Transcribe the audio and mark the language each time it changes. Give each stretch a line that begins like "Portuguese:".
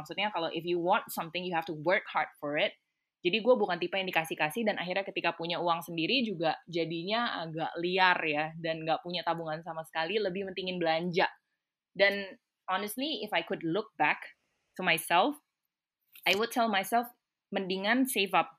Indonesian: Maksudnya kalau
English: if you want something, you have to work hard for it.
Indonesian: Jadi gue bukan tipe yang dikasih-kasih, dan akhirnya ketika punya uang sendiri juga jadinya agak liar ya, dan gak punya tabungan sama sekali, lebih mentingin belanja.
English: Dan honestly, if I could look back to myself, I would tell myself,
Indonesian: mendingan
English: save up.